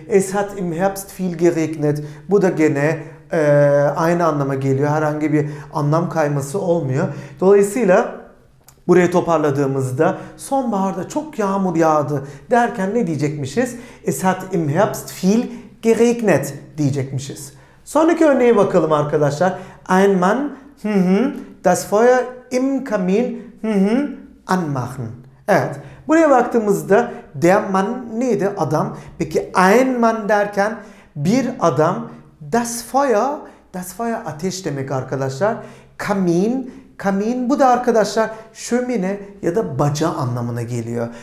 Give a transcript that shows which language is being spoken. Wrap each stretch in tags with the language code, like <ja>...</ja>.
<de>Es hat im Herbst viel geregnet.</de> <tr>Bu da gene aynı anlama geliyor. Herhangi bir anlam kayması olmuyor. Dolayısıyla buraya toparladığımızda sonbaharda çok yağmur yağdı derken ne diyecekmişiz?</tr> <de>Es hat im Herbst viel geregnet</de> <tr>diyecekmişiz. Sonraki örneğe bakalım arkadaşlar.</tr> <de>Ein Mann das Feuer im Kamin anmachen.</de> <tr>Evet. Buraya baktığımızda der Mann neydi? Adam. Peki ein Mann derken bir adam. Das Feuer ateş demek arkadaşlar. Kamin bu da arkadaşlar şömine ya da baca anlamına geliyor.</tr>